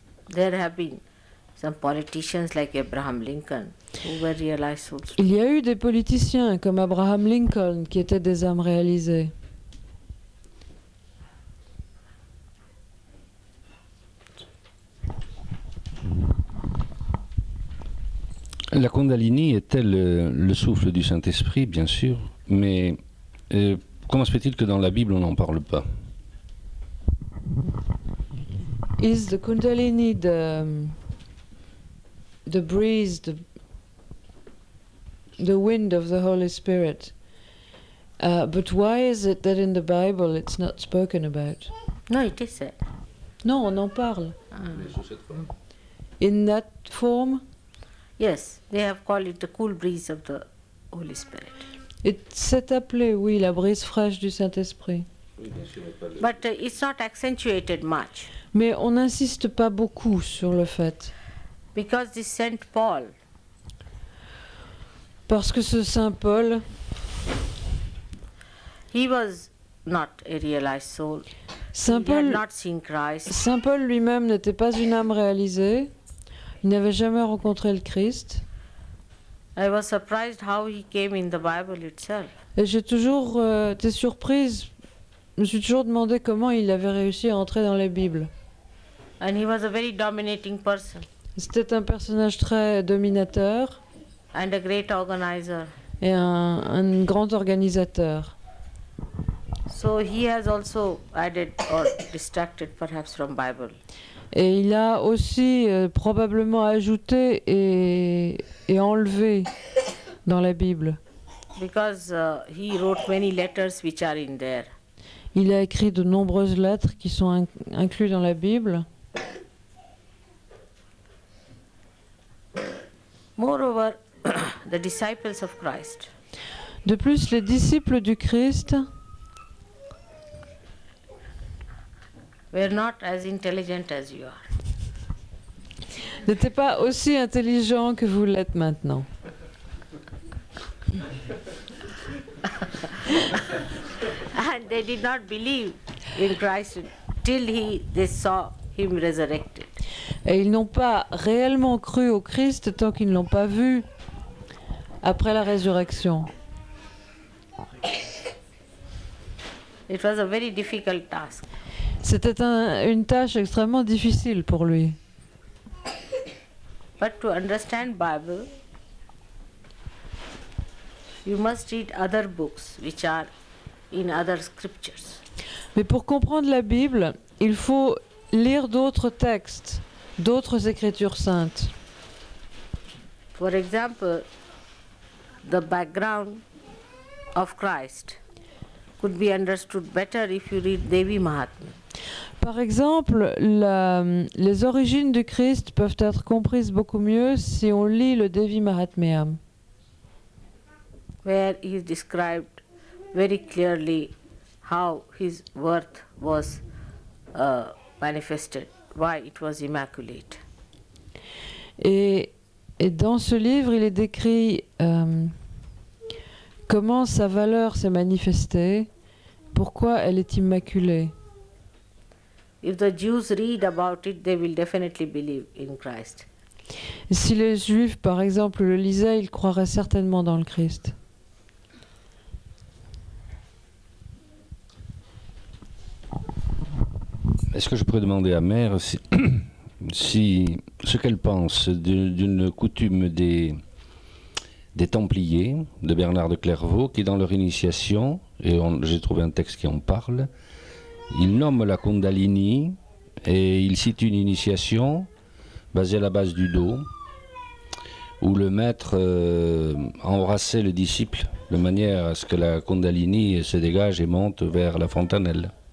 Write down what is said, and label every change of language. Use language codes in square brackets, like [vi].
[en] There have been some politicians like Abraham Lincoln who were realized souls. [fr] Il y a eu des politiciens comme Abraham Lincoln qui étaient des âmes réalisées. La Kundalini est-elle le souffle du Saint-Esprit, bien sûr, mais comment se fait-il que dans la Bible on n'en parle pas? [en] Is the Kundalini the breeze, the wind of the Holy Spirit? But why is it that in the Bible it's not spoken about? No, it is said. [fr] Non, on en parle. Ah. [en] In that form? Yes, they have called it the cool breeze of the Holy Spirit. [fr] It s'est appelé, oui, la brise fraîche du Saint-Esprit. [en] But it's not accentuated much. [fr] Mais on n'insiste pas beaucoup sur le fait. [en] Because this Saint Paul, [fr] Parce que ce Saint Paul, [en] he was not a realized soul. Saint Paul, he had not seen Christ. [fr] Saint Paul lui-même n'était pas une âme réalisée. Il n'avait jamais rencontré le Christ. [en] I was surprised how he came in the Bible itself. [fr] Et j'ai toujours été surprise. Je me suis toujours demandé comment il avait réussi à entrer dans la Bible. [en] And he was a very dominating person. [fr] C'était un personnage très dominateur. [en] And a great organizer. [fr] Et un grand organisateur. [en] So he has also added or distracted perhaps from Bible. [fr] Et il a aussi probablement ajouté et enlevé dans la Bible. [en] Because he wrote many letters which are in there. [fr] Il a écrit de nombreuses lettres qui sont incluses dans la Bible. [en] Moreover, the disciples of Christ. [fr] De plus, les disciples du Christ [en] were not as intelligent as you are. [fr] N'étaient pas aussi intelligents que vous l'êtes maintenant. [en] And they did not believe in Christ till they saw him resurrected. [fr] Et ils n'ont pas réellement cru au Christ tant qu'ils ne l'ont pas vu après la résurrection. [en] It was a very difficult task. [fr] C'était une tâche extrêmement difficile pour lui. [en] But to understand Bible, you must read other books which are in other scriptures. [fr] Mais pour comprendre la Bible, il faut lire d'autres textes, d'autres écritures saintes. [en] For example, the background of Christ could be understood better if you read Devi Mahatmya. [fr] Par exemple, les origines du Christ peuvent être comprises beaucoup mieux si on lit le Devi Mahatmya. [en] Where he is described very clearly how his worth was manifested, why it was immaculate. [fr] Et dans ce livre, il est décrit comment sa valeur s'est manifestée, pourquoi elle est immaculée. [en] If the Jews read about it, they will definitely believe in Christ. [fr] Si les Juifs, par exemple, le lisaient, ils croiraient certainement dans le Christ. Est-ce que je pourrais demander à Mère si ce qu'elle pense d'une coutume des Templiers, de Bernard de Clairvaux, qui dans leur initiation, et j'ai trouvé un texte qui en parle, ils nomment la Kundalini et ils citent une initiation basée à la base du dos, où le maître embrassait le disciple de manière à ce que la Kundalini se dégage et monte vers la fontanelle.